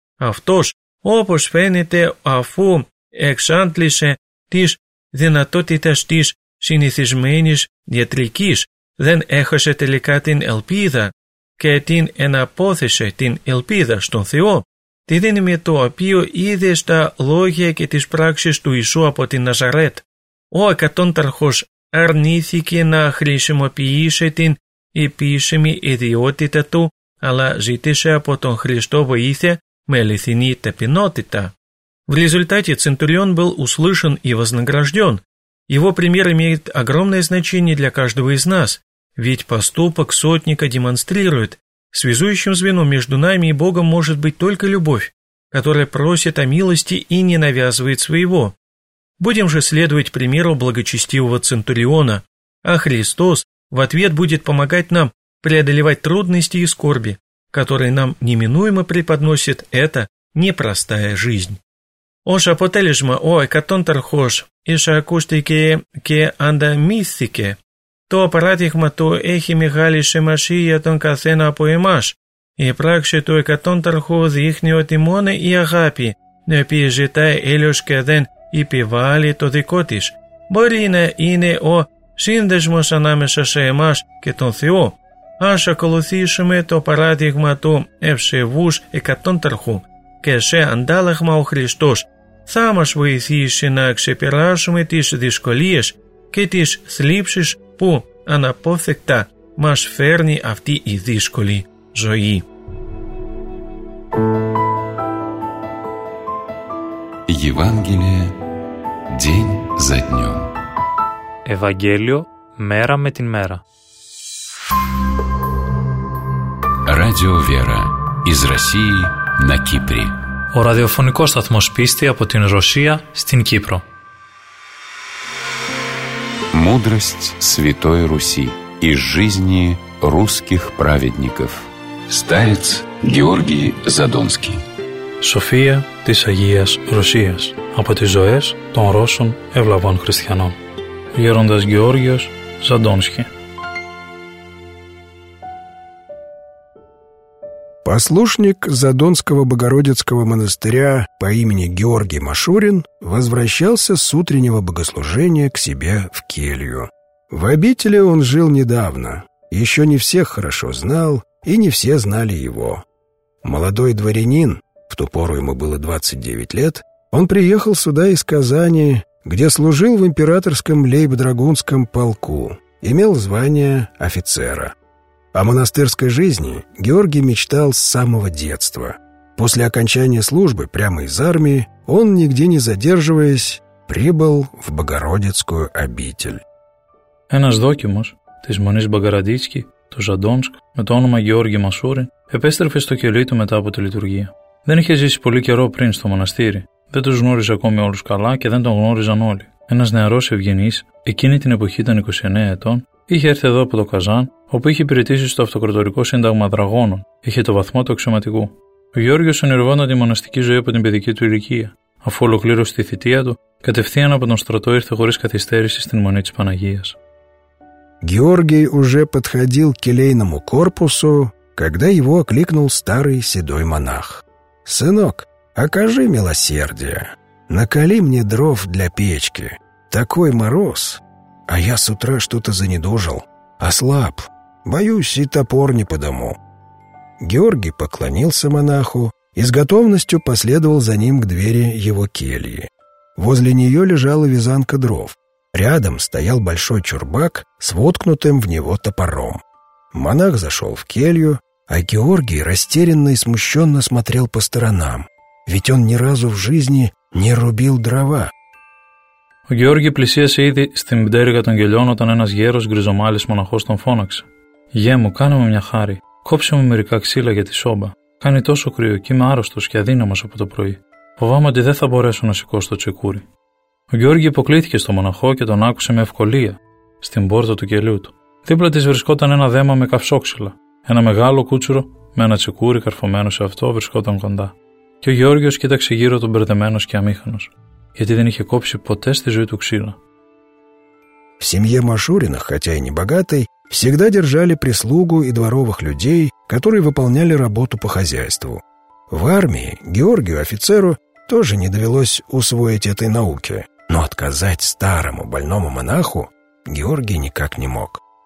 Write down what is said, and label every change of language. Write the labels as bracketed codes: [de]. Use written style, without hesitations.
[el] Αυτός, όπως φαίνεται, αφού εξάντλησε της δυνατότητας της συνηθισμένης διατρικής, δεν έχασε τελικά την ελπίδα και την εναπόθεσε την ελπίδα στον Θεό, τη δύναμη το οποίο είδε στα λόγια και τις πράξεις του Ιησού από την Ναζαρέτ. Ο εκατόνταρχος αρνήθηκε να χρησιμοποιήσει την επίσημη ιδιότητα του, αλλά ζήτησε από τον Χριστό βοήθεια με αληθινή ταπεινότητα. [ru] В результате центурион был услышан и вознагражден. Его пример имеет огромное значение для каждого из нас, ведь поступок сотника демонстрирует, связующим звеном между нами и Богом может быть только любовь, которая просит о милости и не навязывает своего. Будем же следовать примеру благочестивого центуриона, а Христос в ответ будет помогать нам преодолевать трудности и скорби, которые нам неминуемо преподносит эта непростая жизнь. [el] Ως αποτέλεσμα, ο εκατόνταρχος εισακούστηκε και ανταμείθηκε. Το παράδειγμα του έχει μεγάλη σημασία για τον καθένα από εμάς. Η πράξη του εκατόνταρχου δείχνει ότι μόνο η αγάπη, η οποία ζητάει έλεος και δεν επιβάλλει το δικό της, μπορεί να είναι ο σύνδεσμος ανάμεσα σε εμάς και τον Θεό. Ας ακολουθήσουμε το παράδειγμα του ευσεβούς εκατόνταρχου, και σε αντάλλαγμα ο Χριστός θα μας βοηθήσει να ξεπεράσουμε τις δυσκολίες και τις θλίψεις που αναπόφευκτα μας φέρνει αυτή η δύσκολη ζωή. [ru] Евангелие день за днем. [el] Ευαγγέλιο μέρα με την μέρα. [ru] Радио Вера из России на Кипре. [el] Ο ραδιοφωνικός σταθμός πίστη από την Ρωσία στην Κύπρο. [ru] Мудрость Святой Руси из жизни русских праведников. Старец Георгий Задонский. [el] София της Αγίας Ρωσίας από τις ζωές των Ρώσων ευλαβών χριστιανών. Γέροντας Γεώργιος Ζαντόνσκι. [ru] Послушник Задонского Богородицкого монастыря по имени Георгий Машурин возвращался с утреннего богослужения к себе в келью. В обители он жил недавно, еще не всех хорошо знал, и не все знали его. Молодой дворянин, в ту пору ему было 29 лет, он приехал сюда из Казани, где служил в императорском лейб-драгунском полку, имел звание офицера. О монастырской жизни Георгий мечтал с самого детства. После окончания службы прямо из армии он, нигде не задерживаясь, прибыл в Богородицкую обитель. [el] Ένας δόκιμος της Μονής Μπαγκαραντίτσκη, του Ζαντόνσκ, με το όνομα Γεώργη Μασούρη, επέστρεφε στο κελί του μετά από τη λειτουργία. Δεν είχε ζήσει πολύ καιρό πριν στο μοναστήρι. Δεν τους γνώριζε ακόμη όλους καλά και δεν τον γνώριζαν όλοι. Ένας νεαρός ευγενής, εκείνη την εποχή ήταν 29 ετών, είχε έρθει εδώ από το Καζάν, όπου είχε υπηρετήσει στο Αυτοκρατορικό Σύνταγμα Δραγώνων, είχε το βαθμό του αξιωματικού. Ο Γεώργιος ονειρευόταν τη μοναστική ζωή από την παιδική του ηλικία. Αφού ολοκλήρωσε τη θητεία του, κατευθείαν από τον στρατό ήρθε χωρίς καθυστέρηση στην Μονή της Παναγίας. [ru] Георгий уже подходил к келейному корпусу, когда его окликнул старый седой монах. «Сынок, окажи милосердие. Наколи мне дров для печки. Такой мороз. А я с утра что-то занедужил. Ослаб. Боюсь, и топор не подому». Георгий поклонился монаху и с готовностью последовал за ним к двери его кельи. Возле нее лежала вязанка дров. Рядом стоял большой чурбак с воткнутым в него топором. Монах зашел в келью, а Георгий растерянно и смущенно смотрел по сторонам, ведь он ни разу в жизни не рубил дрова. [el] Ο Георгий πλησίασε ήδη στην πτέρυγα των κελιών όταν ένας γέρος γκριζομάλης μοναχός τον φώναξε. «Γέ μου, κάνε μου μια χάρη. Κόψε μου μερικά ξύλα για τη σόμπα. Κάνει τόσο κρύο και είμαι άρρωστος και αδύναμος από το πρωί. Φοβάμαι ότι δεν θα μπορέσω να σηκώσω το τσεκούρι». Ο Γιώργη υποκλήθηκε στο μοναχό και τον άκουσε με ευκολία στην πόρτα του κελιού του. Δίπλα της βρισκόταν ένα δέμα με καυσόξυλα. Ένα μεγάλο κούτσουρο με ένα τσεκούρι καρφωμένο σε αυτό βρισκόταν κοντά. Και ο Γιώργιος κοίταξε γύρω τον μπερδεμένος και αμήχανος, γιατί δεν είχε κόψει ποτέ στη ζωή του ξύλα. [ru] В семье Машуринах, хотя и не богатой, всегда держали прислугу и дворовых людей, которые выполняли работу по хозяйству. В армии Георгию офицеру тоже не довелось усвоить этой науки, но отказать старому больному монаху Георгий никак не мог.